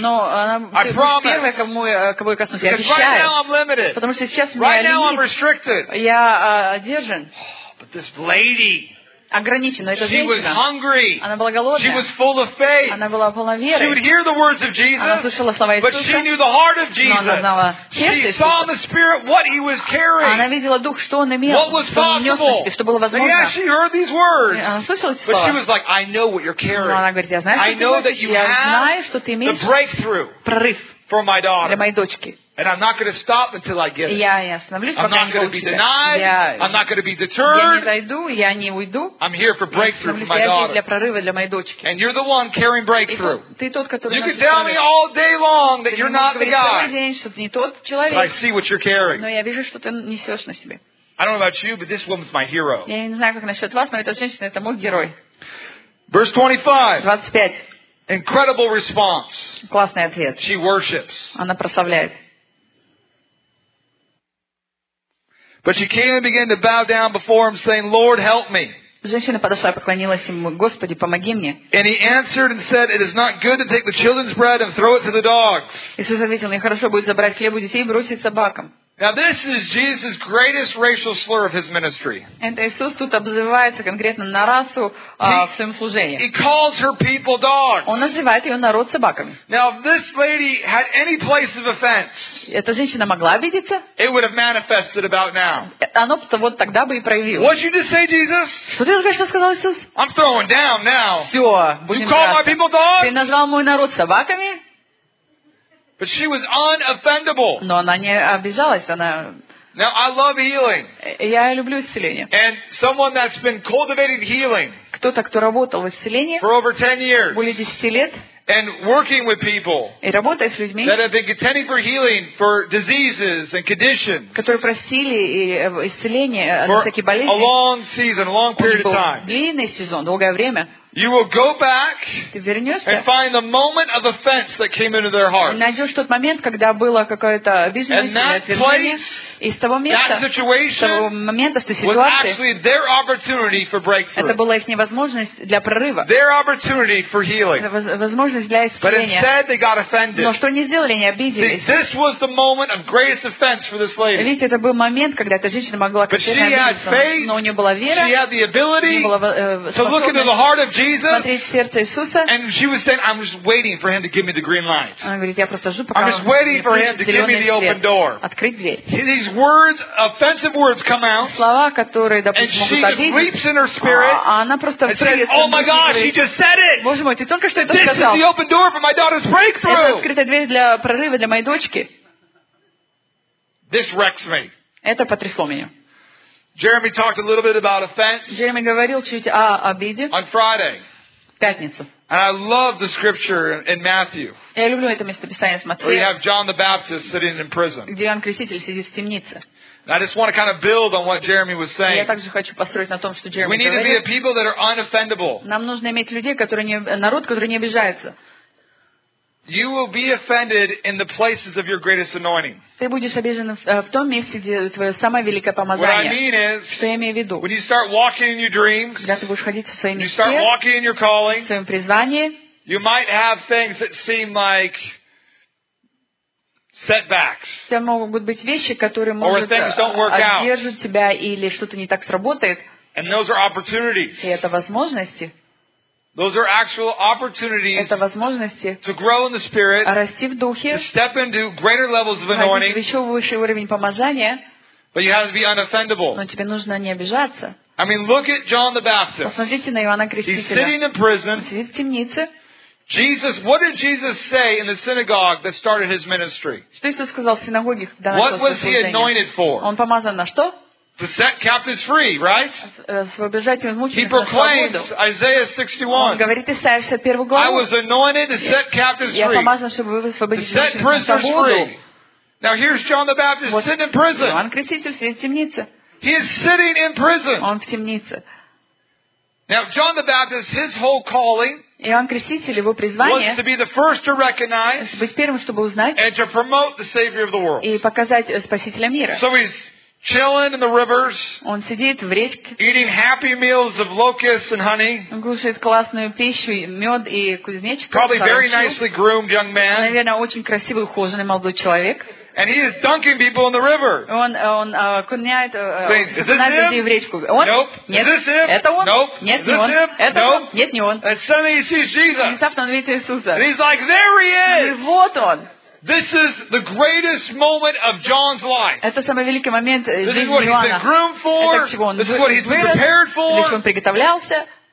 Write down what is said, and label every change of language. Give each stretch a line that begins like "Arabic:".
Russian: Но она будет первой, кого я коснусь.
English: Because right now I'm limited.
Russian: Потому что сейчас меня лимит.
English: Right now I'm restricted.
Russian: Я одержан.
English: But this lady.
Russian: Ограничен, но эта
English: She
Russian: женщина,
English: was hungry.
Russian: Она была голодная.
English: She was full of faith.
Russian: Она была полна веры.
English: She would hear the words of Jesus,
Russian: она слышала слова Иисуса,
English: but she knew the heart of Jesus.
Russian: Но она знала сердце
English: She saw in the Spirit what he was carrying.
Russian: Она видела дух, что он имел,
English: what was
Russian: что он нес на себе, что было возможно.
English: Yeah, she heard these words,
Russian: она слышала эти слова.
English: But she was like, "I know what you're carrying."
Russian: Но она говорит: "Я знаю, что ты носишь. Я знаю, что ты имеешь
English: the breakthrough
Russian: прорыв
English: for my daughter.
Russian: Для моей дочки."
English: And I'm not going to stop until I get it.
Russian: Я не остановлюсь, пока не получу.
English: I'm not going to be denied. I'm not going to be deterred.
Russian: Я не дойду, я не уйду.
English: I'm here for breakthrough for my daughter.
Russian: Я здесь для прорыва для моей дочки.
English: And you're the one carrying breakthrough.
Russian: Ты тот, который.
English: You can tell me all day long that you're not the guy.
Russian: Не тот человек.
English: But I see what you're carrying.
Russian: Но я вижу, что ты несешь на себе.
English: I don't know about you, but this woman's my hero.
Russian: Я не знаю, как насчет вас, но эта женщина это мой герой.
English: Verse 25.
Russian: 25.
English: Incredible response.
Russian: Классный ответ.
English: She worships.
Russian: Она прославляет.
English: But she came and began to bow down before him, saying, "Lord, help me."
Russian: Женщина подошла и поклонилась ему: "Господи, помоги мне."
English: And he answered and said, "It is not good to take the children's bread and throw it to the dogs."
Russian: Иисус ответил: "Нехорошо будет забрать хлеб у детей и бросить собакам."
English: Now this is Jesus' greatest racial slur of his ministry.
Russian: And Иисус тут обзывается конкретно на расу в своем служении.
English: He calls her people dogs.
Russian: Он называет ее народ собаками.
English: Now if this lady had any place of offense,
Russian: эта женщина могла обидеться?
English: It would have manifested about now.
Russian: Оно вот тогда бы и проявилось.
English: What did you just say, Jesus?
Russian: Что ты только что сказал, Иисус?
English: I'm throwing down now.
Russian: Все,
English: you call my people dogs?
Russian: Ты назвал мой народ собаками?
English: But she was unoffendable.
Russian: Но она не обижалась, она.
English: Now I love healing.
Russian: Я люблю исцеление.
English: And someone that's been cultivating healing.
Russian: Кто-то, кто работал в исцелении.
English: For over 10 years.
Russian: Более 10 лет.
English: And working with people.
Russian: И работая с людьми.
English: That have been contending for healing for diseases and conditions.
Russian: Которые просили исцеления от всяких болезней.
English: For a long season, a long period of time.
Russian: Длинный сезон, долгое время.
English: You will go back and find the moment of offense that came into their heart.
Russian: Найдешь тот момент, когда было какое-то обиженное отвержение. Из того места, того момента, с той ситуации,
English: was actually their opportunity for breakthrough.
Russian: Это была их невозможность для прорыва.
English: Their opportunity for healing.
Russian: Возможность для исцеления.
English: But instead, they got offended.
Russian: Но что они сделали, они обиделись.
English: See, this was the moment of greatest offense for this lady.
Russian: Видите, это был момент, когда эта женщина могла конкретно обидеться.
English: But she had faith.
Russian: Но у нее была вера.
English: She had the ability.
Russian: У нее была способность.
English: To look into the heart of Jesus. And she was saying, "I'm just waiting for him to give me the green light. I'm just waiting for him to give me the open door." These words, offensive words, come out.
Russian: Слова, которые, допустим,
English: and she just leaps in her spirit.
Russian: Она просто
English: and says, "Oh my gosh, he just said it!
Russian: Боже мой, ты только что это сказал.
English: This is the open door for my daughter's breakthrough."
Russian: Это открытая дверь для прорыва для моей дочки.
English: This wrecks me.
Russian: Это потрясло меня.
English: Jeremy talked a little bit about offense.
Russian: Jeremy говорил чуть о обиде.
English: On Friday.
Russian: Пятницу.
English: And I love the scripture in Matthew.
Russian: Я люблю это местописание с Матфея.
English: Where you have John the Baptist sitting in prison.
Russian: Где Иоанн Креститель сидит в темнице.
English: I just want to kind of build on what Jeremy was saying.
Russian: Я также хочу построить на том, что Jeremy говорил.
English: We need To be a people that are unoffendable.
Russian: Нам нужно иметь людей, которые не народ, который не обижается.
English: You will be offended in the places of your greatest anointing.
Russian: Ты будешь обижен в том месте, где твое самое великое помазание.
English: What I mean is,
Russian: что я имею в виду?
English: When you start walking in your dreams,
Russian: когда ты будешь ходить в своей мечте,
English: you start walking in your calling,
Russian: в своем призвании,
English: you might have things that seem like setbacks.
Russian: Это могут быть вещи, которые могут одержать тебя или что-то не так сработает.
English: And those are opportunities.
Russian: И это возможности.
English: Those are actual opportunities to grow in the Spirit,
Russian: расти в духе,
English: to step into greater levels of anointing,
Russian: еще выше уровень помазания,
English: but you have to be unoffendable.
Russian: Но тебе нужно не обижаться.
English: I mean, look at John the Baptist.
Russian: Посмотрите на Иоанна Крестителя.
English: He's sitting in prison.
Russian: Он сидит в темнице.
English: Jesus, what did Jesus say in the synagogue that started his ministry?
Russian: Что Иисус сказал в синагоге, когда начал служение?
English: What was he anointed for?
Russian: Он помазан на что?
English: To set captives free, right?
Russian: Освобождать измученных.
English: He proclaims Isaiah 61.
Russian: Он говорит Исаия 61 главу.
English: I was anointed to set captives free.
Russian: Я помазан, чтобы освободить измученных на свободу.
English: To set prisoners free. Now here's John the Baptist sitting in prison.
Russian: Иоанн Креститель сидит в темнице.
English: He is sitting in prison.
Russian: Он в темнице.
English: Now John the Baptist, his whole calling.
Russian: Иоанн Креститель, его призвание быть первым, чтобы узнать.
English: And to promote the Savior of the world.
Russian: И показать спасителя мира.
English: So he's chilling in the rivers.
Russian: Он сидит в речке.
English: Eating happy meals of locusts and honey.
Russian: Кушает классную пищу, мед и кузнечик.
English: Probably very nicely groomed young man.
Russian: Наверное, очень красивый, ухоженный молодой человек.
English: And he is dunking people in the river.
Russian: Он окуняет людей в речку. Нет, это он. Нет, не он. Это он. Нет, не он.
English: And suddenly he sees Jesus.
Russian: Внезапно он видит Иисуса.
English: And he's like, there he is.
Russian: И вот он.
English: This is the greatest moment of John's life.
Russian: Это самый великий момент жизни Иоанна.
English: This is what he's been groomed for. This is what he's been prepared for.
Russian: Для чего он приготовлялся.